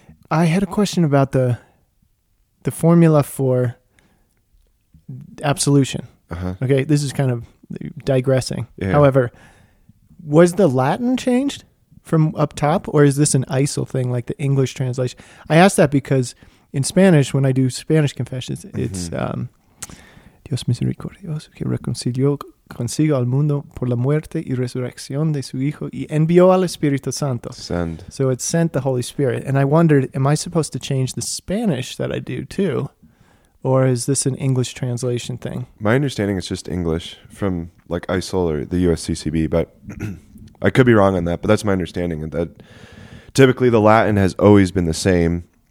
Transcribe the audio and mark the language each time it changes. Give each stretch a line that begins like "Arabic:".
English: I had a question about the formula for absolution. Uh-huh. Okay, this is kind of digressing. Yeah. However, was the Latin changed from up top, or is this an ISIL thing like the English translation? I ask that because in Spanish, when I do Spanish confessions, it's
Spanish: Dios misericordios que reconcilió consigo al mundo por la muerte y resurrección de su hijo y envió al Espíritu Santo.
English: Send. So it sent the Holy Spirit. And I wondered, am I supposed to change the Spanish that I do too? Or is this an English translation thing? My understanding is just English from like ISIL or the USCCB, but I could be wrong on that, but that's my understanding. That typically the Latin has always been the same.